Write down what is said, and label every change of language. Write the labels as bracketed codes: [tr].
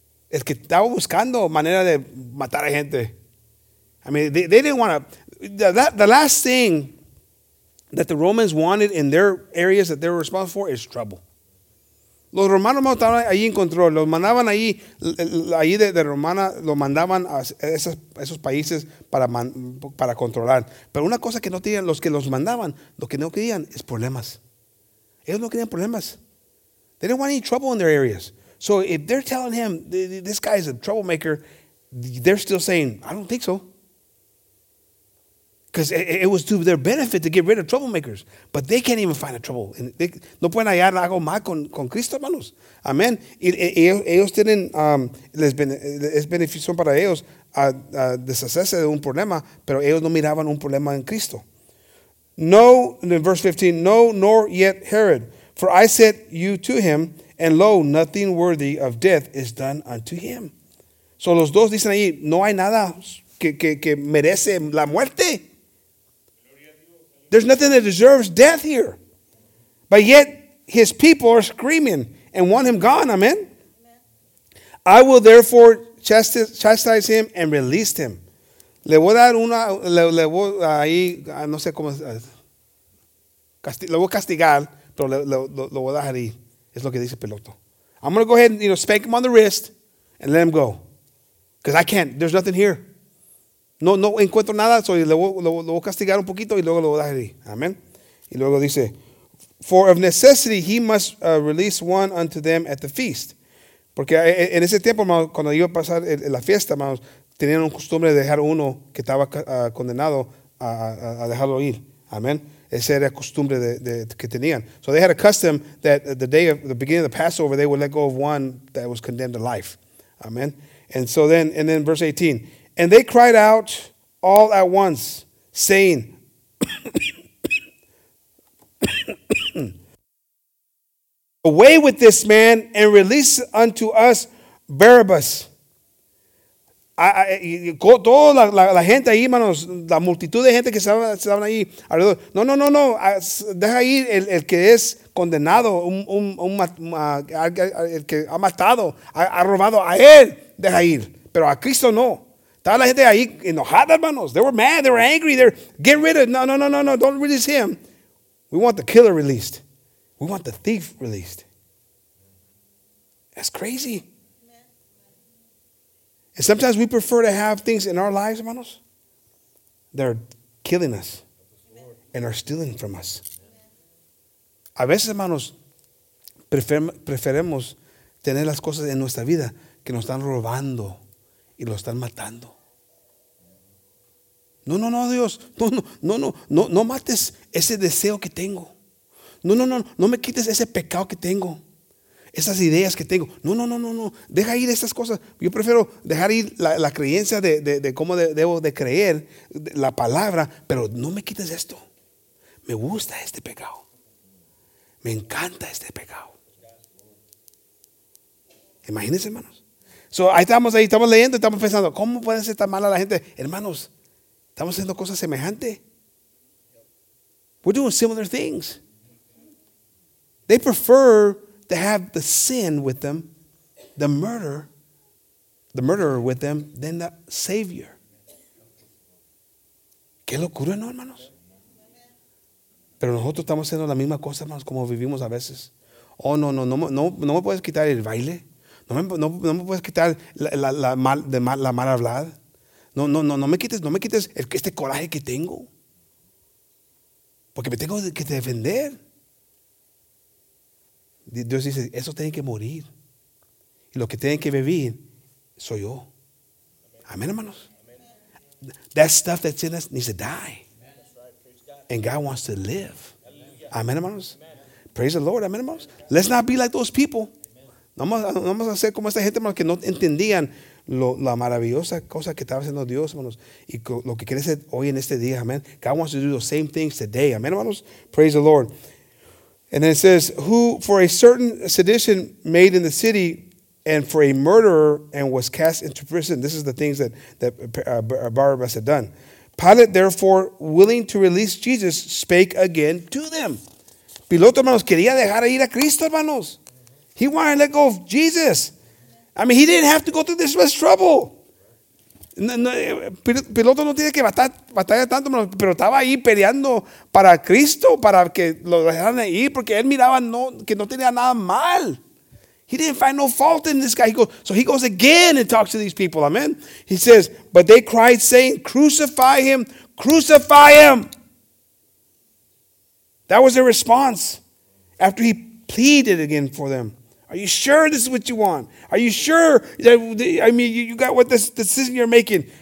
[es] El que estaba buscando manera de matar a gente. [en] I mean, they didn't want to. The last thing that the Romans wanted in their areas that they were responsible for is trouble. [es] Los romanos estaban ahí en control. Los mandaban ahí de Romana, los mandaban a esos países para controlar. Pero una cosa que no tenían, los que los mandaban, lo que no querían es problemas. Ellos no querían problemas. [en] They didn't want any trouble in their areas. So if they're telling him, this guy is a troublemaker, they're still saying, I don't think so. Because it was to their benefit to get rid of troublemakers. But they can't even find a trouble. [es] No pueden hallar algo mal con Cristo, hermanos. Amén. Ellos tienen, es beneficio para ellos deshacerse de un problema, pero ellos no miraban un problema en Cristo. [en] No, in verse 15, no, nor yet Herod. For I said you to him, and lo, nothing worthy of death is done unto him. [es] So los dos dicen ahí, no hay nada que merece la muerte. [en] There's nothing that deserves death here. But yet his people are screaming and want him gone. Amen. I will therefore chastise him and release him. [es] Le voy a dar una, le voy ahí, no sé cómo, le voy a castigar, pero lo voy a dejar ahí. Es lo que dice Piloto. [en] I'm going to go ahead and, you know, spank him on the wrist and let him go. Because I can't. There's nothing here. [es] No encuentro nada, so lo voy a castigar un poquito y luego lo voy a dejar ahí. Amen. Y luego dice, [en] for of necessity he must release one unto them at the feast. [es] Porque en ese tiempo, hermanos, cuando iba a pasar la fiesta, hermanos, tenían un costumbre de dejar uno que estaba condenado a dejarlo ir. Amen. Esa era costumbre que tenían. [en] So they had a custom that the day of the beginning of the Passover, they would let go of one that was condemned to life. Amen. And so then, verse 18, and they cried out all at once, saying, away with this man and release unto us Barabbas. [es] Toda la gente ahí, hermanos, la multitud de gente que estaban ahí alrededor. No, deja ahí el que es condenado, el que ha matado, ha robado a él, deja ir. Pero a Cristo no. Estaba la gente ahí enojada, hermanos. [en] They were mad, they were angry. They're get rid of, no, don't release him. We want the killer released. We want the thief released. That's crazy. And sometimes we prefer to have things in our lives, hermanos, that are killing us and are stealing from us. [es] A veces, hermanos, preferemos tener las cosas en nuestra vida que nos están robando y lo están matando. No, no, no, Dios. No, no, no, no, no, no mates ese deseo que tengo. No, no, no, no me quites ese pecado que tengo. Esas ideas que tengo. No, no, no, no, no. Deja ir esas cosas. Yo prefiero dejar ir la creencia de cómo debo de creer la palabra, pero no me quites esto. Me gusta este pecado. Me encanta este pecado. Imagínense, hermanos. So, ahí estamos ahí, estamos leyendo, estamos pensando, ¿cómo puede ser tan mala la gente? Hermanos, estamos haciendo cosas semejantes. [en] We're doing similar things. They prefer to have the sin with them, the murderer with them, than the Savior. [es] Qué locura, ¿no, hermanos? Pero nosotros estamos haciendo la misma cosa, hermanos, como vivimos a veces. Oh, no, no, no, no, no me puedes quitar el baile. No me puedes quitar la mal hablada. No, no, no, no me quites este coraje que tengo. Porque me tengo que defender. Dios dice, eso tiene que morir. Y lo que tiene que vivir soy yo. Amén, hermanos. Amen. [en] That stuff that's in us needs to die. Amen. And God wants to live. Amén, hermanos. Amen. Praise the Lord. Amén, hermanos. Amen. Let's not be like those people. [es] No vamos a hacer como esta gente, hermanos, que no entendían la maravillosa cosa que estaba haciendo Dios, hermanos. Y lo que quiere hacer hoy en este día, amén. [en] God wants to do the same things today. Amén, hermanos. Praise the Lord. And then it says, who for a certain sedition made in the city and for a murderer and was cast into prison. This is the things that Barabbas had done. Pilate, therefore, willing to release Jesus, spake again to them. [es] Piloto, hermanos, quería dejar ir a Cristo, hermanos. [en] He wanted to let go of Jesus. I mean, he didn't have to go through this much trouble. [es] Piloto no tiene que batallar tanto, pero estaba ahí peleando para Cristo, para que lo dejaran ahí, porque él miraba que no tenía nada mal. [en] He didn't find no fault in this guy. He goes again and talks to these people. Amen. He says, but they cried, saying, crucify him, crucify him. That was their response after he pleaded again for them. Are you sure this is what you want? Are you sure you got what this decision you're making?